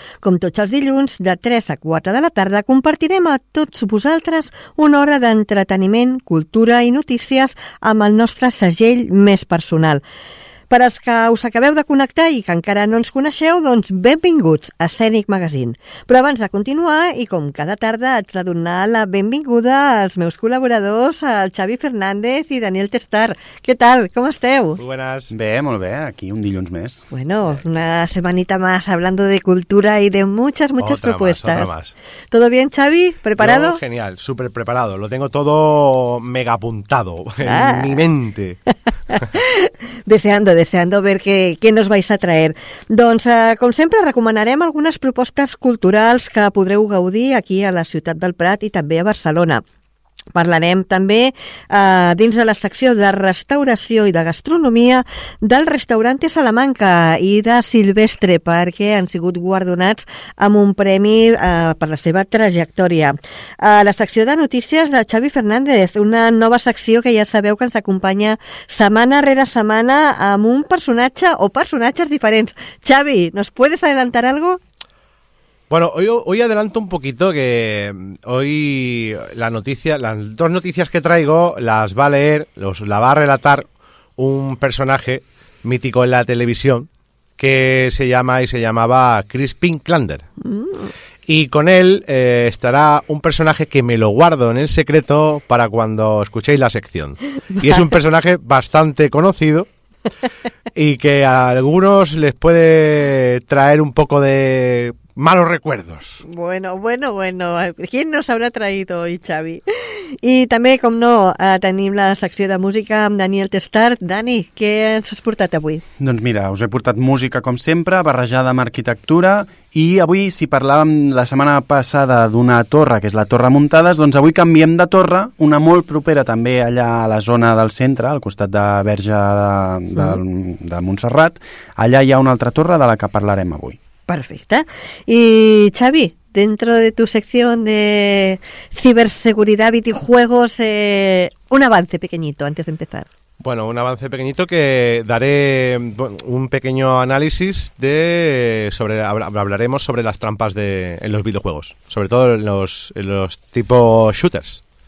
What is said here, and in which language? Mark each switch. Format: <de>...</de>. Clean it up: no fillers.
<ca>Com tots els dilluns, de 3 a 4 de la tarda, compartirem a tots vosaltres una hora d'entreteniment, cultura i notícies amb el nostre segell més personal. Per als que us acabeu de connectar i que encara no ens coneixeu, doncs benvinguts a Escènic Magazine. Però abans de continuar, i com cada tarda, haig de donar la benvinguda als meus col·laboradors, al Xavi Fernández i Daniel Testar. Què tal? Com esteu?</ca> <es>Muy buenas.</es> <ca>Bé, molt bé. Aquí un dilluns més.</ca> <es>Bueno, una semanita más hablando de cultura y de muchas, muchas otra propuestas. Más, otra más. ¿Todo bien, Xavi? ¿Preparado? Yo, genial, súper preparado. Lo tengo todo mega apuntado en mi mente. deseando ver què nos vais a traer.</es> <ca>Doncs, com sempre, recomanarem algunes propostes culturals que podreu gaudir aquí a la ciutat del Prat i també a Barcelona. Parlarem també, dins de la secció de restauració i de gastronomia, del restaurant Salamanca i de Silvestre, perquè han sigut guardonats amb un premi per la seva trajectòria. A la secció de notícies de Xavi Fernández, una nova secció que ja sabeu que ens acompanya setmana rere setmana amb un personatge o personatges diferents.</ca> <es>Xavi, ¿nos puedes adelantar algo? Bueno, hoy adelanto un poquito que hoy la noticia, las dos noticias que traigo las va a leer, la va a relatar un personaje mítico en la televisión que se llama y se llamaba Crispin Klander. Y con él estará un personaje que me lo guardo en el secreto para cuando escuchéis la sección. Y es un personaje bastante conocido. Y que a algunos les puede traer un poco de malos recuerdos. Bueno. ¿Quién nos habrá traído hoy, Xavi?</es> <ca>I també, com no, tenim la secció de música amb Daniel Testart. Dani, què ens has portat avui? Doncs mira, us he portat música, com sempre, barrejada amb arquitectura. I avui, si parlàvem la setmana passada d'una torre, que és la Torre Muntades, doncs avui canviem de torre, una molt propera també allà a la zona del centre, al costat de Verge de Montserrat. Allà hi ha una altra torre de la que parlarem avui. Perfecte.</ca> <es>I Xavi, dentro de tu sección de ciberseguridad, videojuegos, un avance pequeñito antes de empezar. Bueno, un avance pequeñito que daré un pequeño análisis de sobre hablaremos sobre las trampas en los videojuegos, sobre todo en los tipo shooters.</es>